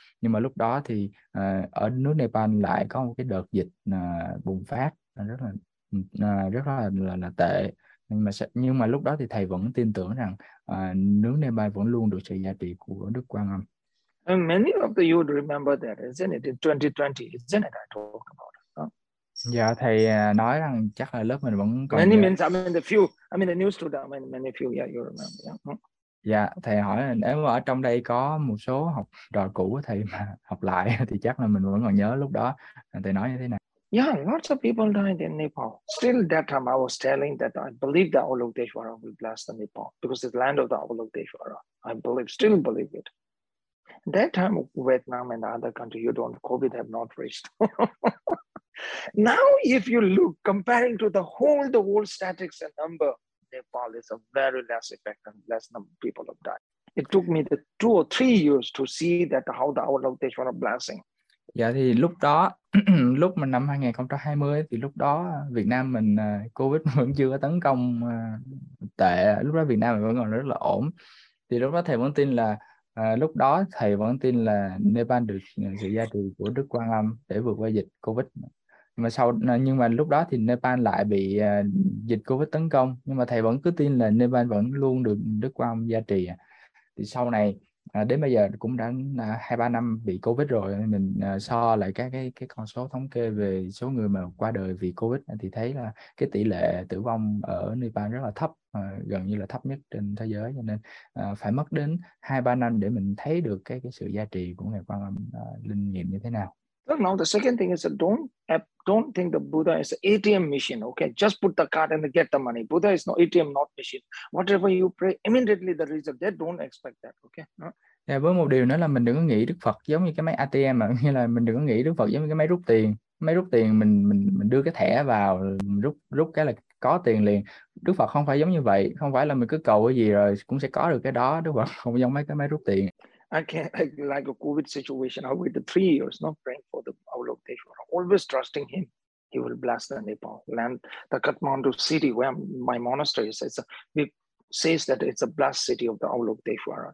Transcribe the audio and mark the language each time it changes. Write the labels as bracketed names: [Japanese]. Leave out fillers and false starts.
[Vietnamese] Nhưng mà lúc đó thì ở nước Nepal lại có một cái đợt dịch bùng phát rất là tệ. Nhưng mà lúc đó thì thầy vẫn tin tưởng rằng nước Nepal vẫn luôn được sự gia trì của Đức Quan Âm. [English] Many of the you would remember that, isn't it? In 2020, isn't it? I talk about [Vietnamese] Dạ, thầy nói rằng chắc là lớp mình vẫn còn [English] many [Vietnamese] nhớ. [English] means, I mean the few, I mean the new student, I mean many few, yeah, you remember, yeah. [Vietnamese] Dạ, thầy hỏi nếu ở trong đây có một số học trò cũ của thầy mà học lại thì chắc là mình vẫn còn nhớ lúc đó. Thầy nói như thế nào? [English] Yeah, lots of people died in Nepal. Still, that time I was telling that I believe the Avalokiteshvara will bless the Nepal because it's land of the Avalokiteshvara. I believe, still believe it. That time Vietnam and other country you don't COVID have not reached. Now if you look comparing to the world statistics and number, Nepal is a very less effect and less number of people have died. It took me the 2 or 3 years to see that how the Avalokiteshvara blessing. [Vietnamese] Dạ thì lúc đó lúc mà năm 2020 thì lúc đó Việt Nam mình COVID vẫn chưa có tấn công tệ, lúc đó Việt Nam mình vẫn còn rất là ổn. Thì lúc đó thầy vẫn tin là lúc đó thầy vẫn tin là Nepal được sự gia trì của Đức Quan Âm để vượt qua dịch COVID. Nhưng mà lúc đó thì Nepal lại bị dịch COVID tấn công, nhưng mà thầy vẫn cứ tin là Nepal vẫn luôn được Đức Quan Âm gia trì. Thì sau này đến bây giờ cũng đã 2-3 năm bị COVID rồi, mình so lại các cái con số thống kê về số người mà qua đời vì COVID thì thấy là cái tỷ lệ tử vong ở Nepal rất là thấp, gần như là thấp nhất trên thế giới, cho nên phải mất đến 2-3 năm để mình thấy được cái sự giá trị của Ngài Quan Âm linh nghiệm như thế nào. [English] Now the second thing is don't think the Buddha is an ATM machine. Okay, just put the card and get the money. Buddha is no ATM, not machine. Whatever you pray, immediately the result. They don't expect that. Okay. [Vietnamese] Dạ, với một điều nữa là mình đừng có nghĩ Đức Phật giống như cái máy ATM, mà nghĩa là mình đừng có nghĩ Đức Phật giống như cái máy rút tiền. Máy rút tiền mình đưa cái thẻ vào mình rút rút cái là có tiền liền. Đức Phật không phải giống như vậy, không phải là mình cứ cầu cái gì rồi cũng sẽ có được cái đó. Đức Phật không giống mấy cái máy rút tiền. [English] I like a COVID situation. I waited 3 years, not praying for the Avalokiteshvara, always trusting him. He will bless the Nepal land, the Kathmandu city where my monastery is. It says that it's a blessed city of the Avalokiteshvara.